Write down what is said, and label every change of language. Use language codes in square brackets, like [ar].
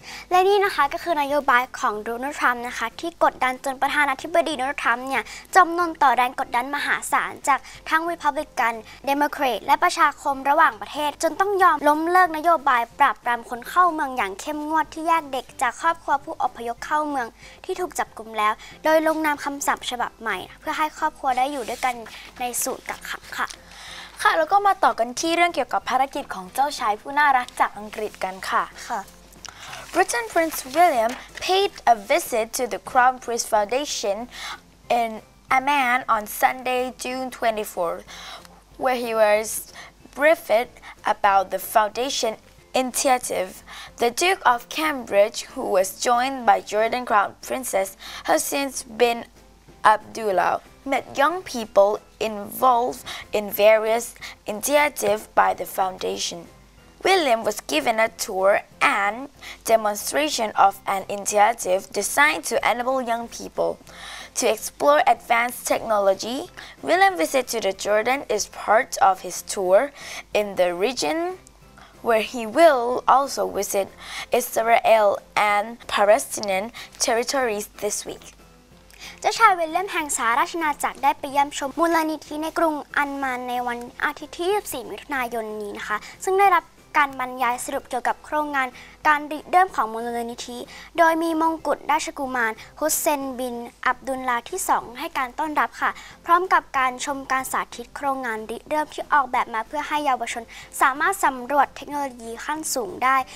[th] และนี่นะคะก็คือนโยบายของโดนัลด์ทรัมป์นะคะที่กดดันจนประธานาธิบดีโดนัลด์ทรัมป์เนี่ยจำนนต่อแรงกดดันมหาศาลจากทั้งรีพับลิกันเดโมแครตและประชาคมระหว่างประเทศจนต้องยอมล้มเลิกนโยบายปราบปรามคนเข้าเมืองอย่างเข้มงวดที่แยกเด็กจากครอบครัวผู้อพยพเข้าเมืองที่ถูกจับกุมแล้วโดยลงนามคำสั่งฉบับใหม่เพื่อให้ครอบครัวได้อยู่ด้วยกันในสูตรกักขังค่ะ ค่ะแล้วก็มาต่อกันที่เรื่องเกี่ยวกับภารกิจของเจ้าชายผู้น่ารักจากอังกฤษกันค่ะ ค่ะ [en] Britain Prince William paid a visit to the Crown Prince Foundation in Amman on Sunday, June 24, where he was briefed about the foundation initiative. The Duke of Cambridge, who was joined by Jordan Crown Princess Hussein bin Abdullah, met young people involved in various initiatives by the foundation. William was given a tour and demonstration of an initiative designed to enable young people to explore advanced technology. William's visit to the Jordan is part of his tour in the region, where he will also visit Israel and Palestinian territories this week. [th] เจ้าชายวิลเลียมแห่งสหราชอาณาจักรได้ไปเยี่ยมชมมูลนิธิในกรุงอันมานในวันอาทิตย์ที่24มิถุนายนนี้นะคะซึ่งได้รับการบรรยายสรุปเกี่ยวกับโครงงานการริเริ่มของมูลนิธิโดยมีมงกุฎราชกุมารฮุสเซนบินอับดุลลาห์ที่2ให้การต้อนรับค่ะพร้อมกับการชมการสาธิตโครงงานริเริ่มที่ออกแบบมาเพื่อให้เยาวชนสามารถสำรวจเทคโนโลยีขั้นสูงได้